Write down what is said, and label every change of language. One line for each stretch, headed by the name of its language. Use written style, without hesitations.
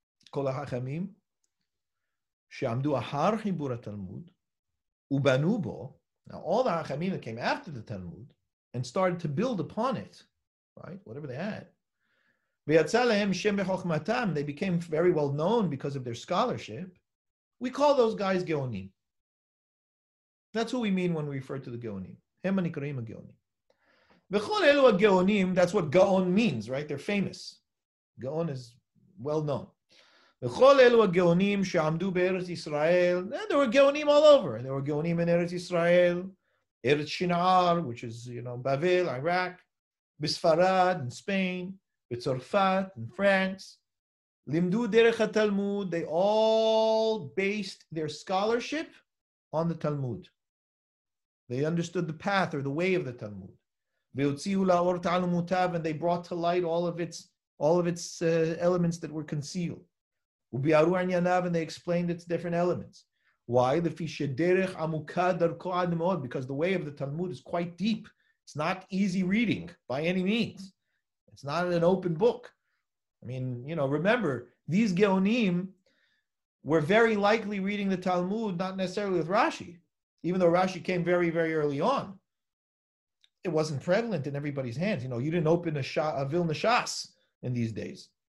Hebrew: כל החכמים שעמדו אחר חיבור התלמוד ובנו בו.
English: Now all the hachamim that came after the Talmud and started to build upon it, right? Whatever they had.
Hebrew: ויצא להם שם בחוכמתם.
English: They became very well known because of their scholarship. We call those guys geonim. That's who we mean when we refer to the geonim.
Hebrew: הם הנקראים הגאונים. וכל אלו הגאונים,
English: that's what gaon means, right? They're famous. Gaon is well known.
Hebrew: וכל אלו הגאונים שעמדו בארץ ישראל,
English: and there were גאונים all over. There were גאונים in ארץ ישראל, ארץ שנער, which is, you know, בבל, Iraq, בספרד, in Spain, בצרפת, in France,
Hebrew: לימדו דרך התלמוד.
English: They all based their scholarship on the Talmud. They understood the path or the way of the Talmud.
Hebrew: והוציאו לאור תעלומותיו,
English: and they brought to light all of its elements that were concealed.
Hebrew: וביארו עניינב,
English: and they explained its different elements. Why?
Hebrew: לפי שדרך עמוקה דרכו עד מאוד,
English: because the way of the Talmud is quite deep. It's not easy reading by any means. It's not an open book. I mean, you know, remember, these geonim were very likely reading the Talmud, not necessarily with Rashi, even though Rashi came very, very early on. It wasn't prevalent in everybody's hands. You know, you didn't open a Vilna Shas in these days.